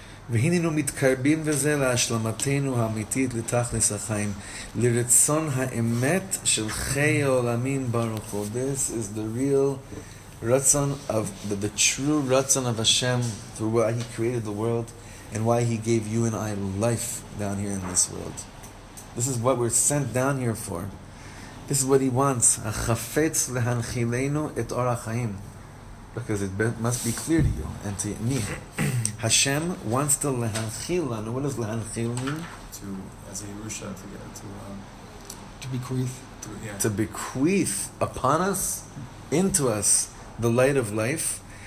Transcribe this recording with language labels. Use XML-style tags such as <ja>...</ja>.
<he>והיננו מתקרבים וזה להשלמתנו האמיתית לתכלס החיים לרצון האמת של חיי העולמים ברוך הוא.</he> <en>This is the real רצון of the true רצון of Hashem through why he created the world and why he gave you and I life down here in this world. This is what we're sent down here for. This is what he wants.</en> <he>החפץ להנחילנו את אור החיים.</he> <en>Because it must be clear to you and to me. Hashem wants to lehanchil. And what does lehanchil mean? To, as a Yerusha, to get to... To bequeath. To bequeath upon us, into us, the light of life.</en>